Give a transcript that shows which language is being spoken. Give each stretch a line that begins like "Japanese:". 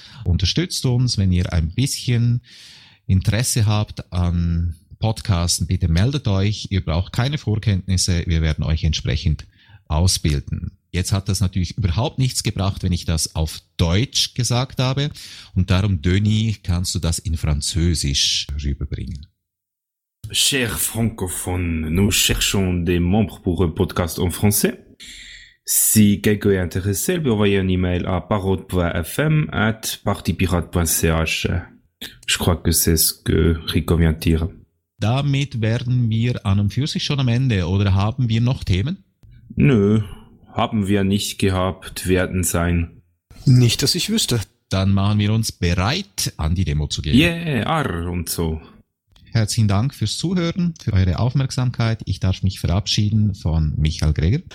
German: Unterstützt uns, wenn ihr ein bisschen Interesse habt an Podcasten, bitte meldet euch. Ihr braucht keine Vorkenntnisse, wir werden euch entsprechend ausbilden. Jetzt hat das natürlich überhaupt nichts gebracht, wenn ich das auf Deutsch gesagt habe. Und darum, Döni, kannst du das in Französisch rüberbringen.
French: Cher francophone, nous cherchons des membres pour un podcast en français. Si quelqu'un est intéressé, il peut envoyer un email à parrot.fm@partipirate.ch. Je crois que c'est ce que Rico vient dire.
German: Damit werden wir an und für sich schon am Ende, oder haben wir noch Themen? Nö, haben wir nicht gehabt, werden sein. Nicht, dass ich wüsste. Dann machen wir uns bereit, an die Demo zu gehen. Yeah, arr und so. Herzlichen Dank fürs Zuhören, für eure Aufmerksamkeit. Ich darf mich verabschieden von Michael Greger.